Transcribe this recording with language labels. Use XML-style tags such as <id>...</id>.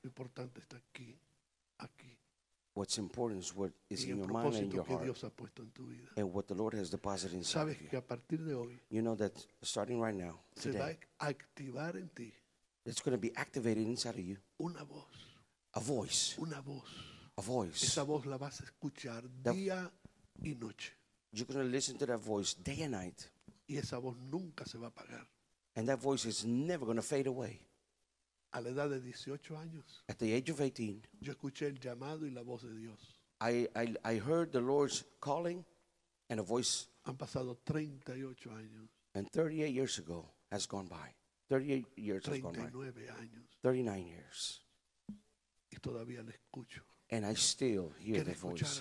<es>Lo importante está aquí, aquí.</es> <en>What's important is what is in your mind and your heart, and what the Lord has deposited inside.</en> <es>Sabes</es> <en>you.</en> <es>Que a partir de hoy,</es> <en>you know that starting right now,</en> <es>se</es> <en>today,</en> <es>va a activar en ti,</es> <en>it's going to be activated inside of you.</en> <es>Una voz,</es> <en>a voice.</en> <es>Una voz,</es> <en>a voice.</en> <es>Esa voz la vas a escuchar día y noche.</es> <en>You're going to listen to that voice day and night.</en> <es>Y esa voz nunca se va a apagar.</es> <en>And that voice is never going to fade away.</en> <es>A la edad de 18 años,</es> <en>at the age of 18,</en> <es>yo escuché el llamado y la voz de Dios.</es> <en>I heard the Lord's calling and a voice.</en> <es>Han pasado 38 años.</es> <en>And 38 years ago has gone by. 38 years has gone by.</en> <es>39 años.</es> <en>39 years.</en> <es>Y todavía le escucho.</es> <en>And I still hear the voice.</en>